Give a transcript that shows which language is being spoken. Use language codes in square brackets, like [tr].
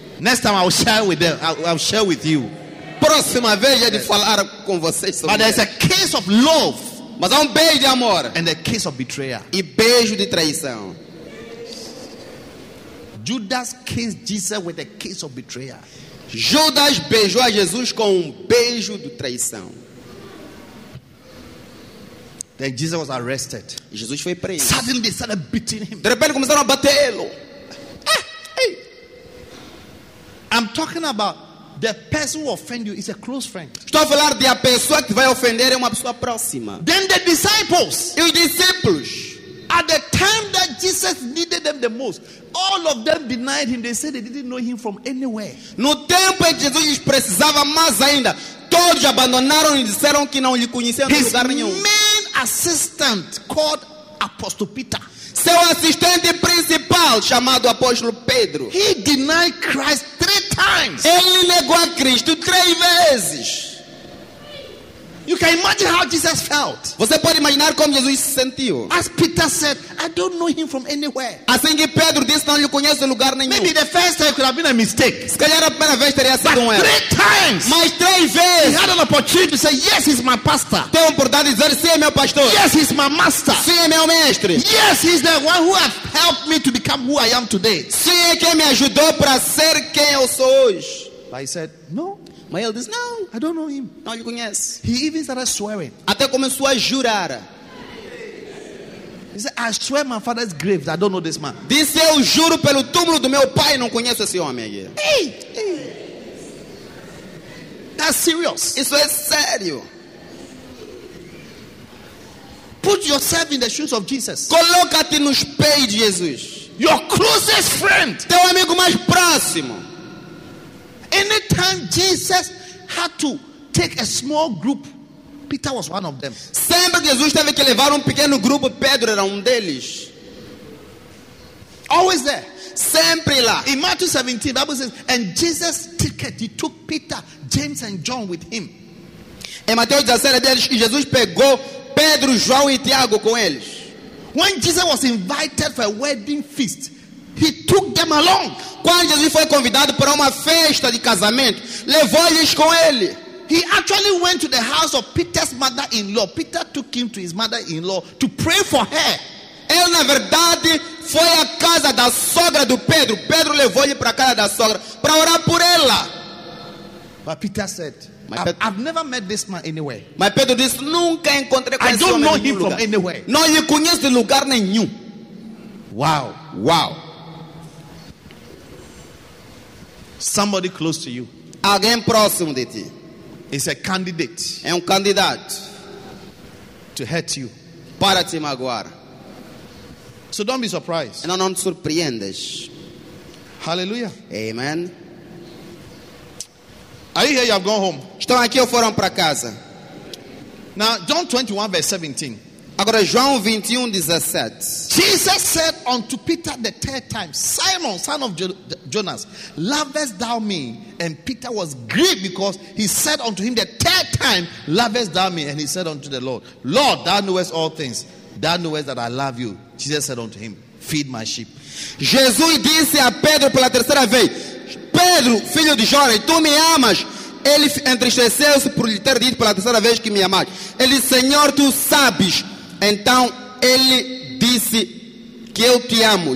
[en] Next time I'll share with them. I'll share with you. [pt] Próxima vez é de falar com vocês. [en] But there's a kiss of love. [pt] Mas há beijo de amor. [en] And a kiss of betrayal. [pt] E beijo de traição. [en] Judas kissed Jesus with a kiss of betrayal. [pt] Judas beijou a Jesus com beijo de traição. [en] Then Jesus was arrested. [pt] Jesus foi preso. [en] Suddenly they started beating him. [pt] De repente começaram a batê-lo. [en] I'm talking about the person who offends you is a close friend. [pt] Estou a falar de a pessoa que vai ofender é uma pessoa próxima. [en] Then the disciples. [pt] E os discípulos. [en] At the time that Jesus needed them the most, all of them denied him. They said they didn't know him from anywhere. [pt] No tempo em que Jesus precisava mais ainda, todos abandonaram e disseram que não lhe conheciam de lugar nenhum. [en] His main assistant called Apostle Peter. [pt] Seu assistente principal chamado Apóstolo Pedro. [en] He denied Christ 3 times. [pt] Ele negou a Cristo 3 vezes. [en] You can imagine how Jesus felt. [pt] Você pode imaginar como Jesus se sentiu. [en] As Peter said, I don't know him from anywhere. [pt] Assim que Pedro disse, não lhe conheço de lugar nenhum. [en] Maybe the first time could have been a mistake. [pt] Se calhar a primeira vez teria sido um erro. [en] Three times. [pt] Mas três vezes. [en] He had an opportunity to say, yes, he's my pastor. [pt] Tem uma oportunidade de dizer, sim, é meu pastor. [en] Yes, he's my master. [pt] Sim, é meu mestre. [en] Yes, he's the one who has helped me to become who I am today. [pt] Sim, é quem me ajudou para ser quem eu sou hoje. [en] But he said, no. My eldest, no. I don't know him. [pt] Não lhe conheço. [en] He even started swearing. [pt] Até começou a jurar. [en] He said, I swear my father's grave. I don't know this man. [pt] Disse, eu juro pelo túmulo do meu pai, não conheço esse homem. [en] Hey, hey. That's serious. [pt] Isso é sério. [en] Put yourself in the shoes of Jesus. [pt] Coloca-te nos pés de Jesus. [en] Your closest friend. [pt] Teu amigo mais próximo. [en] Anytime Jesus had to take a small group, Peter was one of them. [pt] Sempre que Jesus teve que levar pequeno grupo, Pedro era deles. [en] Always there. [pt] Sempre lá. [en] In Matthew 17, the Bible says, and Jesus took Peter, James and John with him. [pt] Em Mateus 17, Jesus pegou Pedro, João e Tiago com eles. [en] When Jesus was invited for a wedding feast, he took them along. [pt] Quando Jesus foi convidado para uma festa de casamento, levou-lhes com ele. [en] He actually went to the house of Peter's mother-in-law. Peter took him to his mother-in-law to pray for her. [pt] Ele, na verdade, foi à casa da sogra do Pedro. Pedro levou-lhe para a casa da sogra para orar por ela. [en] But Peter said, I've never met this man anywhere. [pt] Mas Pedro disse, nunca encontrei com [en] I [pt] esse [en] don't [pt] homem [en] know [pt] em [en] him [pt] lugar. [en] From anywhere. [pt] Não lhe conheço de lugar nenhum. Wow. Wow. [en] Somebody close to you. [pt] Alguém próximo de ti. [en] Is a candidate. [pt] É candidato. [en] To hurt you. [pt] Para te magoar. [en] So don't be surprised. [pt] Não te surpreendas. Hallelujah. Amen. [en] Are you here? You have gone home. [pt] Estão aqui ou foram para casa? [en] Now, John 21, verse 17. [pt] Agora, João 21, 17. [en] Jesus said unto Peter the third time, Simon, son of Jonas, lovest thou me? And Peter was grieved because he said unto him the third time, lovest thou me? And he said unto the Lord, Lord, thou knowest all things. Thou knowest that I love you. Jesus said unto him, feed my sheep. [pt] Jesus disse a Pedro pela terceira vez, Pedro, filho de Jonas, tu me amas? Ele entristeceu-se por lhe ter dito pela terceira vez que me amas. Ele, Senhor, tu sabes. Então ele disse que eu te amo.